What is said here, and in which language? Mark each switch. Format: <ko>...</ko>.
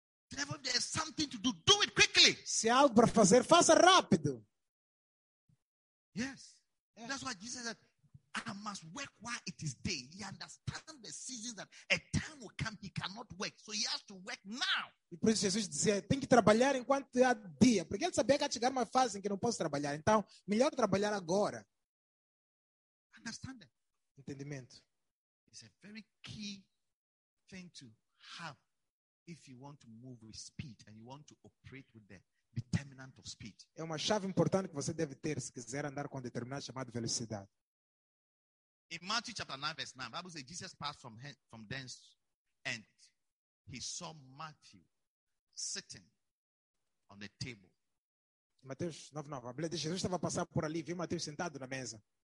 <en>Therefore, there is something to do, do it quickly.</en> <pt>Se há algo para fazer, faça rápido.</pt> <en>Yes. Yeah. That's why Jesus said, I must work while it is day. He understands the seasons that a time will come he cannot work. So he has to work now.</en> <pt>E por isso Jesus dizia, tem que trabalhar enquanto há dia. Porque ele sabia que ia chegar uma fase em que não posso trabalhar. Então, melhor trabalhar agora.</pt> <en>Understand that.</en> <pt>Entendimento.</pt> <en>It's a very key thing to have if you want to move with speed and you want to operate with them. Determinant of speed.</en> <pt>É uma chave importante que você deve ter se quiser andar com determinado chamado velocidade.</pt> <en>In Matthew chapter 9 verse 9, Bible says Jesus passed from thence and he saw Matthew sitting on the table.</en> <pt>Mateus 9:9, a Bíblia diz Jesus estava passando por ali, viu Mateus sentado na mesa.</pt>